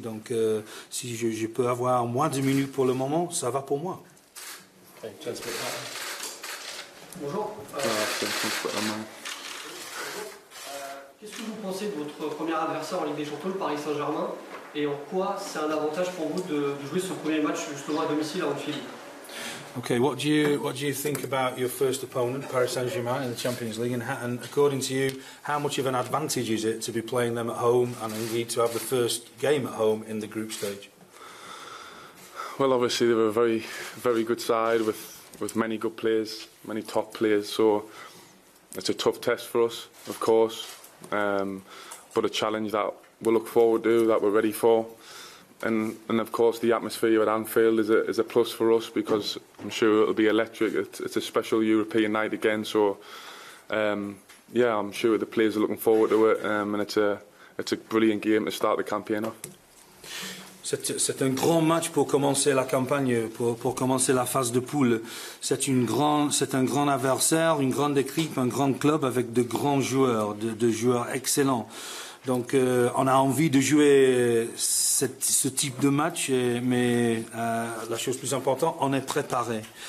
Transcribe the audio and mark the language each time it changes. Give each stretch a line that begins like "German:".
French: Donc si je peux avoir moins de minutes pour le moment, ça va pour moi. Bonjour, qu'est-ce que vous pensez de votre premier adversaire en Ligue des Champions, le Paris Saint-Germain, et en quoi c'est un avantage pour vous de jouer ce premier match justement à domicile à Anfield?
English: Okay, what do you think about your first opponent, Paris Saint-Germain, in the Champions League? And according to you, how much of an advantage is it to be playing them at home and indeed to have the first game at home in the group stage? Well, obviously, they're a very, very good side with many good players, many top players. So it's a tough test for us, of course, but a challenge that we look forward to, that we're ready for. And of course, the atmosphere at Anfield is a plus for us, because I'm sure it'll be electric. It's a special European night again, so yeah, I'm sure the players are looking forward to it, and it's a brilliant game to start the campaign off.
French: C'est un grand match pour commencer la campagne, pour commencer la phase de poule. C'est un grand adversaire, une grande équipe, un grand club avec de grands joueurs, de joueurs excellents. Donc, on a envie de jouer ce type de match, mais la chose plus importante, on est préparé.